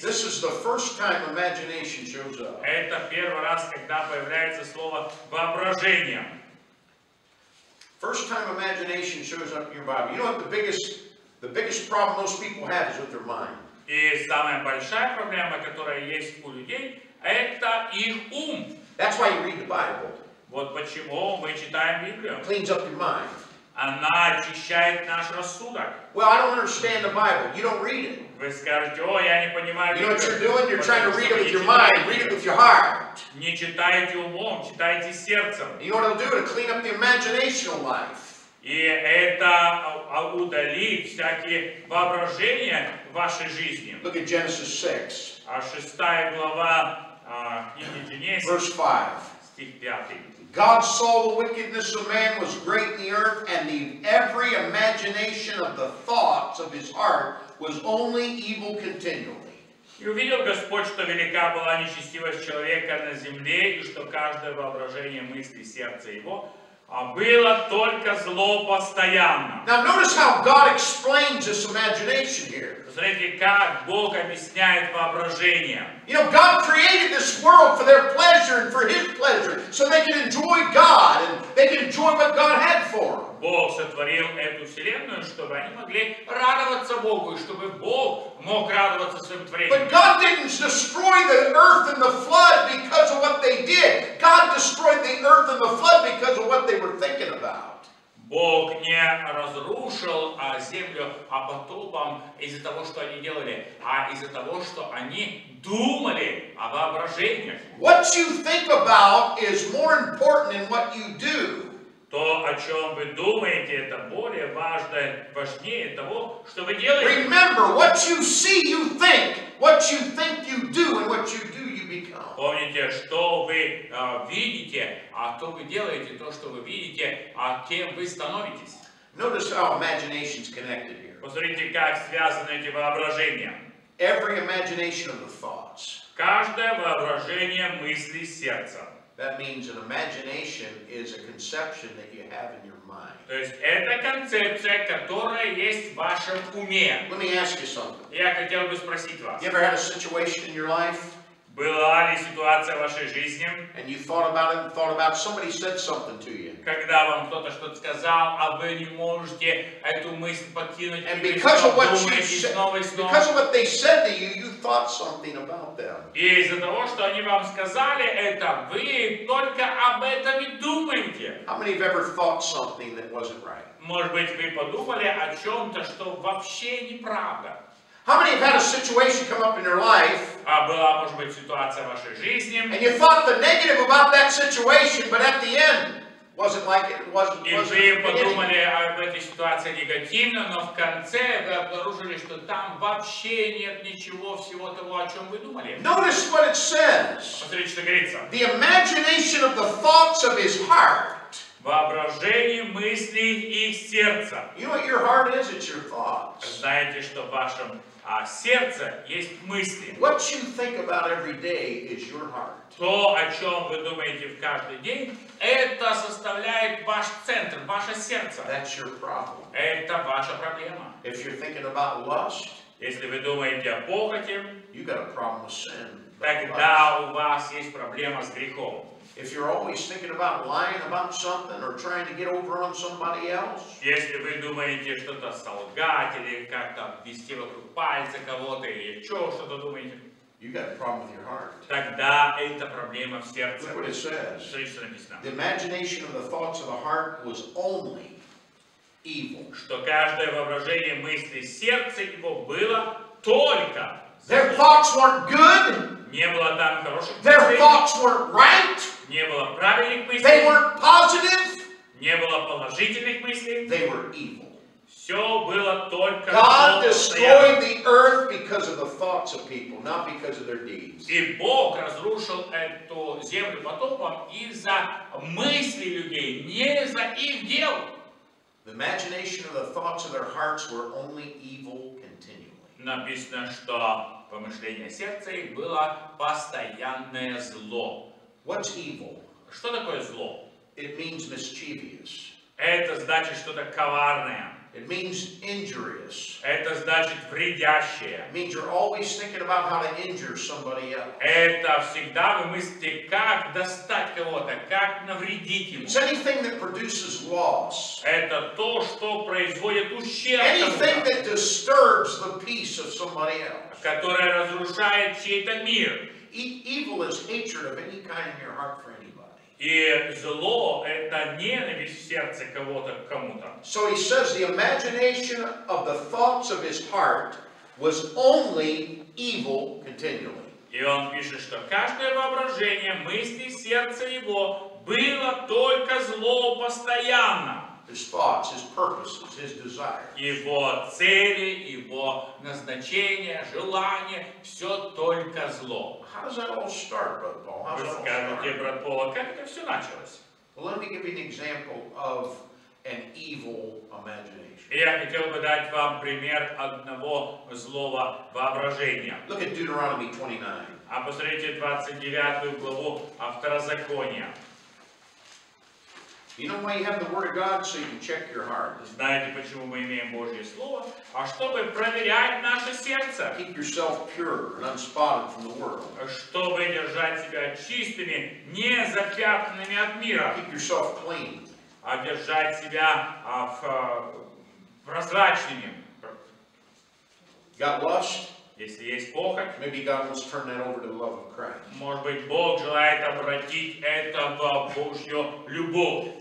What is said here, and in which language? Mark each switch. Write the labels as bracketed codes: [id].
[en] This is the first time imagination shows up. [ru] Это первый раз, когда появляется слово воображение. [en] First time imagination shows up in your Bible. You know what the biggest problem most people have is with their mind. [ru] И самая большая проблема, которая есть у людей, это их ум. [en] That's why you read the Bible. [ru] Вот почему мы читаем Библию. [en] It cleans up your mind. [ru] Она очищает наш рассудок. [en] Well, I don't understand the Bible. You don't read it. [ru] Вы скажете, о, я не понимаю. [en] You know what you're doing? You're trying to read it with your mind. Read it with your heart. [ru] Не читайте умом, читайте сердцем. [en] You know what it'll do? It'll clean up the imaginational life. [ru] И это удалит всякие воображения в вашей жизни. [en] Look at Genesis 6. [ru] А шестая глава книги Genesis. [en] Verse 5. [ru] Стих 5. [en] God saw the wickedness of man was great in the earth, and the every imagination of the thoughts of his heart was only evil continually. [ru] И увидел Господь, что велика была нечестивость человека на земле, и что каждое воображение мысли сердца его было только зло постоянно. [en] Now notice how God explains this imagination here. [ru] Смотрите, как Бог объясняет воображение. [en] You know, God created this world for their pleasure and for His pleasure, so they can enjoy God and they can enjoy what God had for them. [ru] Бог сотворил эту вселенную, чтобы они могли радоваться Богу, и чтобы Бог мог радоваться своим творением. [en] But God didn't destroy the earth and the flood because of what they did. God destroyed the earth and the flood because of what they were thinking about. [ru] Бог не разрушил землю потопом из-за того, что они делали, а из-за того, что они думали о воображениях. [en] What you think about is more important than what you do. [ru] То, о чем вы думаете, это более важнее того, что вы делаете. [en] Remember, what you see, you think. What you think, you do, and what you do, you become. [ru] Помните, что вы видите, а то вы делаете то, что вы видите, а кем вы становитесь. [en] Notice how imagination's connected here. [ru] Посмотрите, как связаны эти воображения. [en] Every imagination of the thoughts. [ru] Каждое воображение мысли сердца. [en] That means an imagination is a conception that you have in your mind. [ru] То есть это концепция, которая есть в вашем уме. [en] Let me ask you something. [ru] Я хотел бы спросить вас. [en] You ever had a situation in your life? [ru] Была ли ситуация в вашей жизни? [en] And you thought about it, thought about somebody said something to you. [ru] Когда вам кто-то что-то сказал, а вы не можете эту мысль покинуть. [en] And because of what you said, because of what they said to you, you thought something about them. [ru] И из-за того, что они вам сказали, это вы только об этом и думаете. [en] How many have ever thought something that wasn't right? [ru] Может быть, вы подумали о чем-то, что вообще неправда. [en] How many have had a situation come up in your life? [ru] Была, может быть, ситуация в вашей жизни. [en] And you thought the negative about that situation, but at the end, wasn't like it was. [ru] И вы подумали об этой ситуации негативно, но в конце вы обнаружили, что там вообще нет ничего всего того, о чем вы думали. [en] Notice what it says. [ru] Посмотрите, что говорится. [en] The imagination of the thoughts of his heart. [ru] Воображение мыслей их сердца. [en] You know what your heart is? It's your thoughts. [ru] Знаете, что в вашем сердце есть мысли. [en] What you think about every day is your heart. [ru] То, о чем вы думаете в каждый день, это составляет ваш центр, ваше сердце. [en] That's your problem. [ru] Это ваша проблема. [en] If you're thinking about lust, [ru] если вы думаете о похоти, [en] you got a problem with sin. [ru] Тогда у вас есть проблема с грехом. [en] If you're always thinking about lying about something or trying to get over on somebody else, [ru] если вы думаете что-то солгать или как-то вести вокруг пальца кого-то или еще что-то думаете, [en] you got a problem with your heart. [ru] Тогда это проблема в сердце. [en] Look what it says. [ru] Смотрите, что написано. [en] The imagination of the thoughts of the heart was only evil. [ru] Что каждое воображение мысли сердца его было только. [en] Their thoughts weren't good. [ru] Не было там хороших. [en] Their thoughts weren't right. [ru] Не было правильных мыслей. [en] They weren't positive. [ru] Не было положительных мыслей. [en] They were evil. [ru] Все было только. [en] God destroyed the earth because of the thoughts of people, not because of their deeds. [ru] И Бог разрушил эту землю потопом из-за мыслей людей, не из-за их дел. [en] The imagination of the thoughts of their hearts were only evil continually. [ru] Написано, что помышления сердца их было постоянное зло. [en] What's evil? [ru] Что такое зло? [en] It means mischievous. [ru] Это значит что-то коварное. [en] It means injurious. [ru] Это значит вредящее. [en] It means you're always thinking about how to injure somebody else. [ru] Это всегда вы мыслите, как достать кого-то, как навредить ему. [en] It's anything that produces loss. [ru] Это то, что производит ущерб. [en] Anything that disturbs the peace of somebody else. [ru] Которое разрушает чей-то мир. [en] Evil is hatred of any kind in your heart for anybody. [ru] И зло это ненависть в сердце кого-то к кому-то. [en] So he says the imagination of the thoughts of his heart was only evil continually. [ru] И он пишет, что каждое воображение мысли сердца его было только зло постоянно. [en] His thoughts, his purposes, his desires. [ru] Его цели, его назначения, желания, все только зло. [en] How does that all start, Brother Paul? How does that all start? [ru] Брат Пол, как это все началось? [en] Well, let me give you an example of an evil imagination. [ru] Я хотел бы дать вам пример одного злого воображения. [en] Look at Deuteronomy 29. [ru] А посмотрите 29 главу Второзакония. [en] You know why you have the Word of God so you can check your heart. [ru] Знаете почему мы имеем Божье слово? А чтобы проверять наше сердце. [en] Keep yourself pure and unspotted from the world. [ru] Чтобы держать себя чистыми, не запятнанными от мира. [en] Keep yourself clean. [ru] А держать себя в прозрачными. [en] Got lust? [ru] Если есть похоть, [en] maybe God wants to turn that over to the love of Christ. [ru] Может быть, Бог желает обратить это в Божью любовь.